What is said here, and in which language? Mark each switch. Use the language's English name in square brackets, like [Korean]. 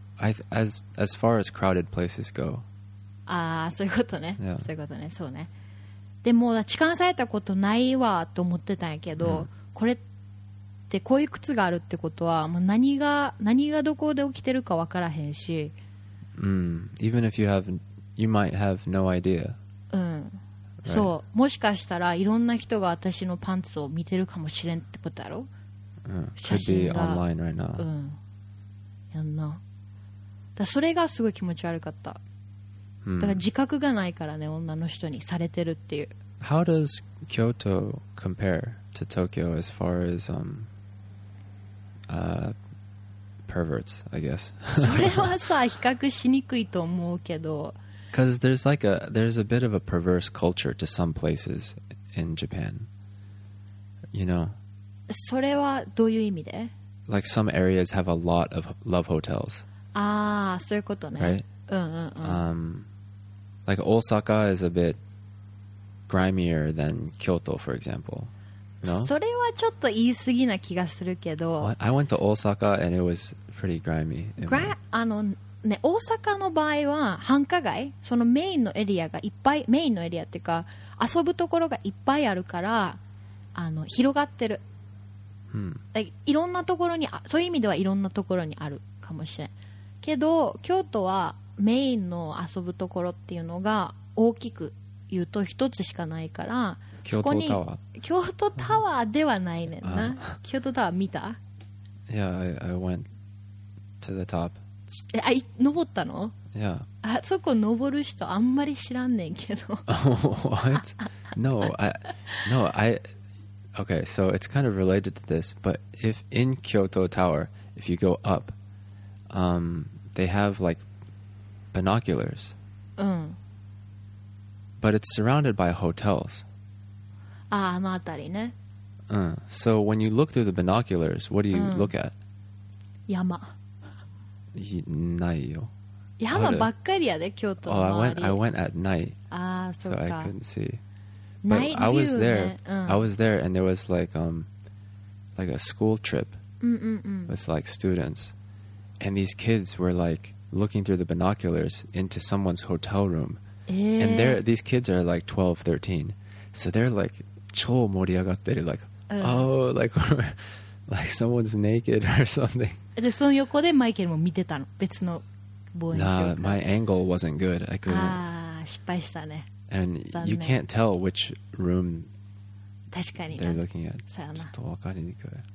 [English] As far as crowded places go. [Japanese] ああそういうことね。Yeah. そういうことね。そうね。でも痴漢されたことないわと思ってたんやけど、うん、これってこういう靴があるってことはもう何がどこで起きてるか分からへんし、 [English] うん、Even if you have you might have no idea、うん right. [Japanese] そうもしかしたらいろんな人が私のパンツを見てるかもしれんってことだろ、 [English] うん、 [Japanese] 写真が [English] Could be online right now、 [Japanese] うん、やんなだそれがすごい気持ち悪かっただから自覚がないからね、女の人にされてるっていう。 [English] How does Kyoto compare to Tokyo as far as perverts, I guess? [Japanese] それはさ、比較しにくいと思うけど。 [English] Because there's like there's a bit of a perverse culture to some places in Japan. You know? [Japanese] それはどういう意味で? [English] Like some areas have a lot of love hotels. [Japanese] ああ、そういうことね。 [English] Right? うんうんうん。 Like Osaka is a bit grimier than Kyoto, for example. No? [Japanese] それはちょっと言い過ぎな気がするけど。 [English] I went to Osaka and it was pretty grimy. [Japanese] あのね、大阪の場合は繁華街、そのメインのエリアがいっぱい、メインのエリアっていうか遊ぶところがいっぱいあるから、あの広がってる。 Hmm. Like, いろんなところに、そういう意味ではいろんなところにあるかもしれん。けど京都は。メインの遊ぶところっていうのが大きく言うと一つしかないから京都タワー京都タワーではないねんな京都タワー見た [English] Yeah, I went to the top [Japanese] え、あ、登ったの Yeah あそこ登る人あんまり知らんねんけど [English] What? No, I Okay, so it's kind of related to this But if in Kyoto Tower If you go up They have likeBinoculars. But it's surrounded by hotels. [Japanese] Ah, あの辺りね。 [English] So when you look through the binoculars, what do you look at? [Japanese] 山。ないよ。山ばっかりやで、京都の周り。 [English] Oh, I went at night. Ah, so I couldn't see. But I was there. I was there, and there was like a school trip with like students, and these kids were like looking through the binoculars into someone's hotel room, and these kids are like 12, 13, so they're like [Japanese] 超盛り上がってる, [English] like oh, like like someone's naked or something. [Japanese] でその横でマイケルも見てたの別の。 [English] Nah, my angle wasn't good. I couldn't. [Japanese] Ah, 失敗したね。 [English] And you can't tell which room [Japanese] 確かに [English] they're looking at. [Japanese] そうやな。ちょっとわかりにくい。